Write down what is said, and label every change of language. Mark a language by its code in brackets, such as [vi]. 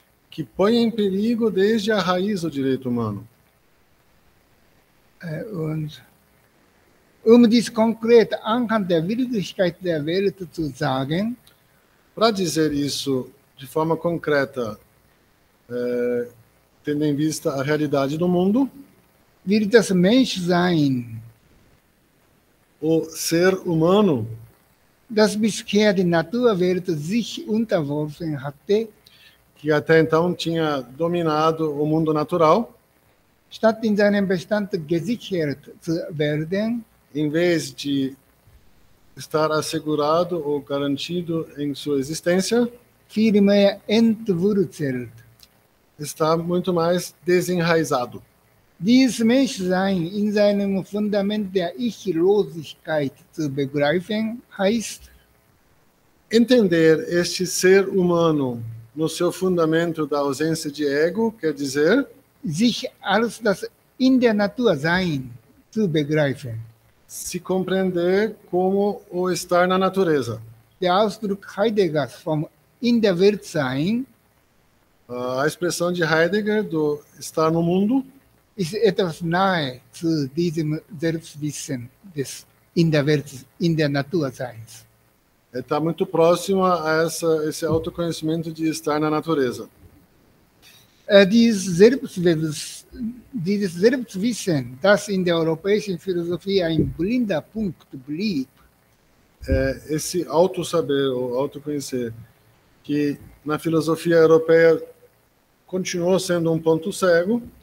[pt] que põe em perigo desde a raiz o direito humano. [de] Dies konkret anhand der Wirklichkeit der Welt zu sagen, [pt] para dizer isso de forma concreta, tendo em vista a realidade do mundo, [de] wird das Menschsein, [pt] o ser humano, [de] das bisher die Naturwelt sich unterworfen hatte, [pt] que até então tinha dominado o mundo natural, [de] statt in seinem Bestand gesichert zu werden, [pt] em vez de estar assegurado ou garantido em sua existência, [de] viel mehr entwurzelt, [pt] está muito mais desenraizado. [de] Dies Menschsein in seinem Fundament der Ichlosigkeit zu begreifen, heißt, [pt] entender este ser humano no seu fundamento da ausência de ego, quer dizer, [de] sich als das in der Natur sein zu begreifen, [pt] se compreender como o estar na natureza. [de] Der Ausdruck Heidegger vom in der Welt sein. [pt] A expressão de Heidegger do estar no mundo. [de] Ist etwas nahe zu diesem Selbstwissen des in der Welt, in der Natur seins. [pt] Está muito próximo a esse autoconhecimento de estar na natureza. [de] Dieses Selbstwissen, das in der europäischen Philosophie ein blinder Punkt blieb. [pt] Esse autosaber, ou autoconhecer, que na filosofia europeia continuou sendo um ponto cego.